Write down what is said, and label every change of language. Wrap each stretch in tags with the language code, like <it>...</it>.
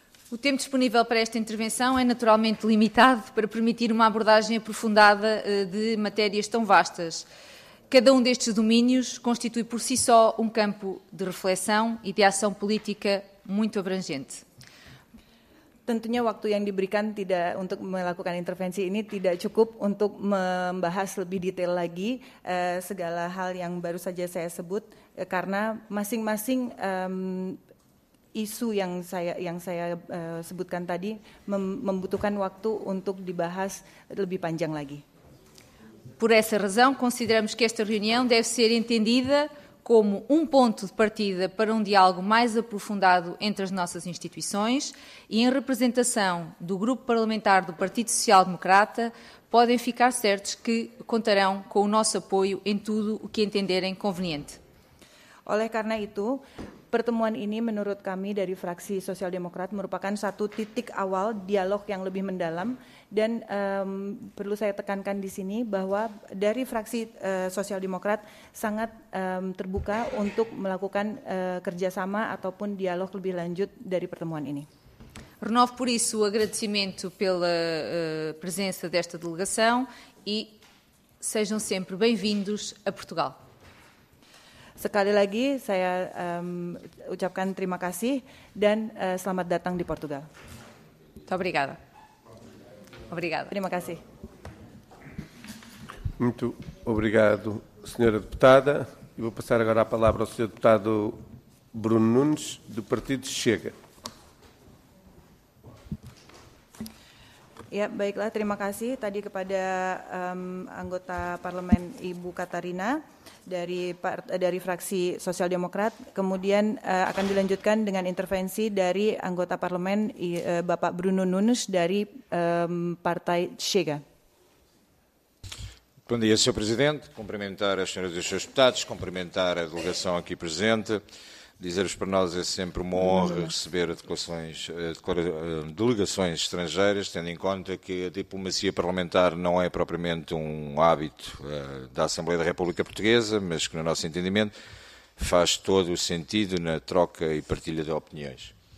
<pt>O tempo disponível para esta intervenção é naturalmente limitado para permitir uma abordagem aprofundada de matérias tão vastas. Cada um destes domínios constitui por si só um campo de reflexão e de ação política muito abrangente.</pt> <id>Tentunya waktu yang diberikan tidak untuk melakukan intervensi ini tidak cukup untuk membahas lebih detail lagi segala hal yang baru saja saya sebut karena masing-masing isu yang saya sebutkan tadi membutuhkan waktu untuk dibahas lebih panjang lagi.</id> <pt>Por essa razão, consideramos que esta reunião deve ser entendida como ponto de partida para diálogo mais aprofundado entre as nossas instituições e em representação do Grupo Parlamentar do Partido Social Democrata, podem ficar certos que contarão com o nosso apoio em tudo o que entenderem conveniente.</pt> <id>Oleh karena itu, pertemuan ini menurut kami dari fraksi Sosial Demokrat merupakan satu titik awal dialog yang lebih mendalam dan perlu saya tekankan di sini bahwa dari fraksi Sosial Demokrat sangat terbuka untuk melakukan kerjasama ataupun dialog lebih lanjut dari pertemuan ini.</id> <pt>Renovo por isso o agradecimento pela presença desta delegação e sejam sempre bem-vindos a Portugal.</pt> <id>Sekali lagi saya ucapkan terima kasih dan selamat datang di Portugal.</id> <pt>Obrigada. Obrigada.</pt> <id>Terima kasih.</id> <pt>Muito obrigado, senhora deputada. E vou passar agora a palavra ao senhor deputado Bruno Nunes do Partido Chega.</pt> <id>Ya, baiklah, terima kasih tadi kepada anggota parlemen Ibu Katarina dari fraksi Sosial Demokrat. Kemudian akan dilanjutkan dengan intervensi dari anggota parlemen Bapak Bruno Nunes dari Partai Chega.</id> <pt>Bom dia, Sr. Presidente. Cumprimentar as senhoras e os senhores deputados, cumprimentar a delegação aqui presente. Dizer-vos para nós é sempre uma honra receber delegações estrangeiras, tendo em conta que a diplomacia parlamentar não é propriamente um hábito da Assembleia da República Portuguesa, mas que, no nosso entendimento, faz todo o sentido na troca e partilha de opiniões.</pt>